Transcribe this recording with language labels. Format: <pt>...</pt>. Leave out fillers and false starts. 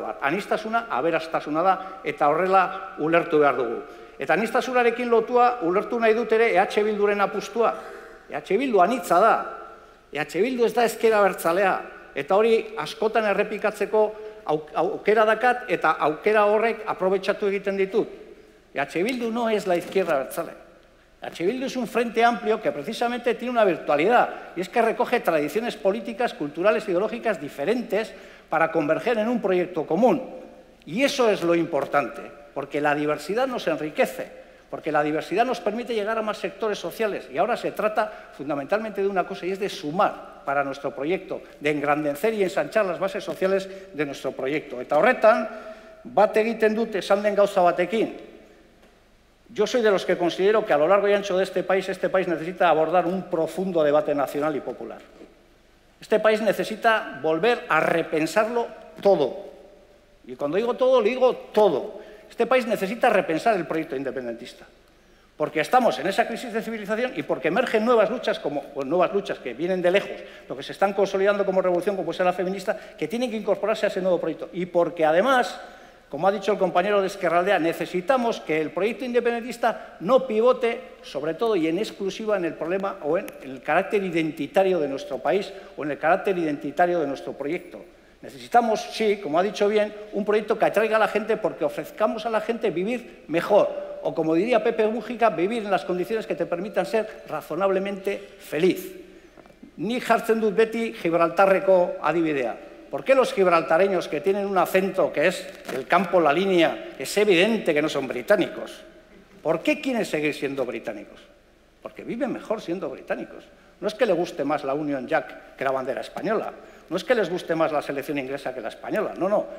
<eu>Anistasuna, aberastasuna da, eta horrela ulertu behar dugu. Eta anistasunarekin lotua, ulertu nahi dut ere EH Bilduren apustua. EH Bildu anitza da. EH Bildu ez da ezkera bertzalea. Eta hori askotan errepikatzeko aukera dakat, eta aukera horrek aprobetsatu egiten ditut.</eu> <es>EH Bildu no es la izquierda abertzale. EH Bildu es un frente amplio que precisamente tiene una virtualidad y es que recoge tradiciones políticas, culturales, ideológicas diferentes para converger en un proyecto común. Y eso es lo importante, porque la diversidad nos enriquece, porque la diversidad nos permite llegar a más sectores sociales y ahora se trata fundamentalmente de una cosa y es de sumar para nuestro proyecto, de engrandecer y ensanchar las bases sociales de nuestro proyecto.</es> <eu>Eta horretan, bat egiten dute sanden gauza batekin.</eu> <es>Yo soy de los que considero que a lo largo y ancho de este país necesita abordar un profundo debate nacional y popular. Este país necesita volver a repensarlo todo. Y cuando digo todo, le digo todo. Este país necesita repensar el proyecto independentista. Porque estamos en esa crisis de civilización y porque emergen nuevas luchas, que vienen de lejos, lo que se están consolidando como revolución, como sea la feminista, que tienen que incorporarse a ese nuevo proyecto. Y porque además, como ha dicho el compañero de Ezkerraldea, necesitamos que el proyecto independentista no pivote, sobre todo y en exclusiva, en el problema o en el carácter identitario de nuestro país o en el carácter identitario de nuestro proyecto. Necesitamos, sí, como ha dicho bien, un proyecto que atraiga a la gente porque ofrezcamos a la gente vivir mejor. O como diría Pepe Mujica, vivir en las condiciones que te permitan ser razonablemente feliz.</es> <eu>Ni jartzen dut beti Gibraltarreko adibidea.</eu> <es>¿Por qué los gibraltareños que tienen un acento que es el campo, la línea, es evidente que no son británicos? ¿Por qué quieren seguir siendo británicos? Porque viven mejor siendo británicos. No es que les guste más la Union Jack que la bandera española. No es que les guste más la selección inglesa que la española. No, no.</es>